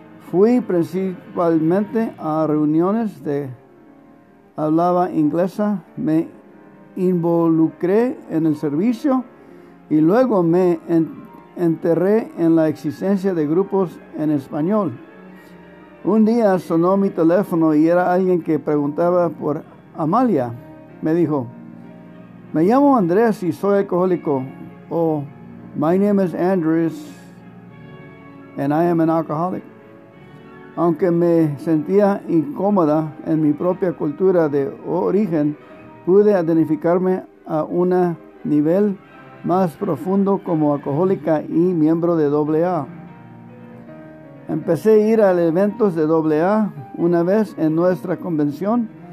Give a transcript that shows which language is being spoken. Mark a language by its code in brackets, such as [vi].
[es] Fui principalmente a reuniones de hablaba inglesa, me involucré en el servicio y luego me enterré en la existencia de grupos en español. Un día sonó mi teléfono y era alguien que preguntaba por Amalia. Me dijo, me llamo Andrés y soy alcohólico. [en] My name is Andrés and I am an alcoholic. [es] Aunque me sentía incómoda en mi propia cultura de origen, pude identificarme a un nivel más profundo como alcohólica y miembro de AA. Empecé a ir a eventos de AA una vez en nuestra convención.